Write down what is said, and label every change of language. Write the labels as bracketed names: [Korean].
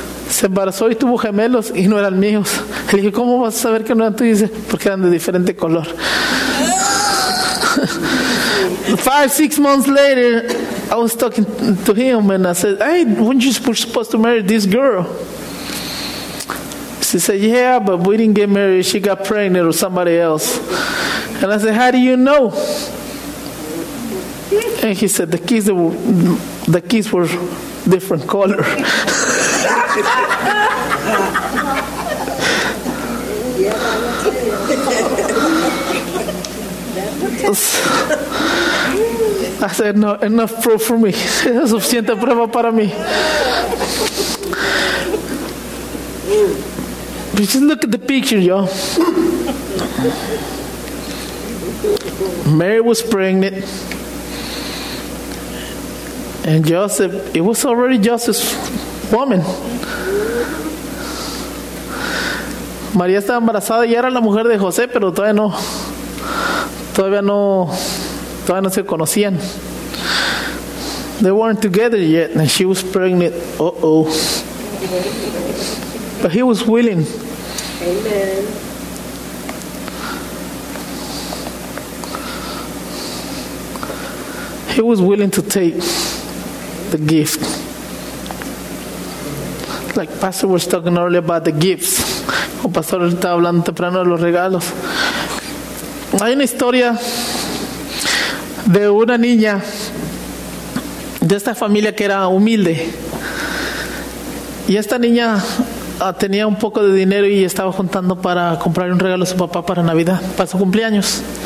[Spanish] Se embarazó y tuvo gemelos y no eran míos. Le dije, ¿cómo vas a saber que no eran tuyos? Dice, porque eran de diferente color. [English] 5-6 months later, I was talking to him and I said, "Hey, weren't you supposed to marry this girl?" She said, "Yeah, but we didn't get married. She got pregnant or somebody else." And I said, "How do you know?" And he said, "The keys were different color." I said, "No, enough proof for me. [Spanish] Suficiente prueba para mí." [English] But just look at the picture, y'all. Mary was pregnant, and Joseph, it was already Joseph's woman. [Spanish] María estaba embarazada y era la mujer de José, pero todavía no se conocían. [English] They weren't together yet, and she was pregnant. Uh-oh. But he was willing. Amen. He was willing to take the gift. Like Pastor was talking earlier about the gifts. [Spanish] O Pastor estaba hablando temprano de los regalos. Hay una historia de una niña de esta familia que era humilde. Y esta niña tenía un poco de dinero y estaba juntando para comprar un regalo a su papá para Navidad, para su cumpleaños.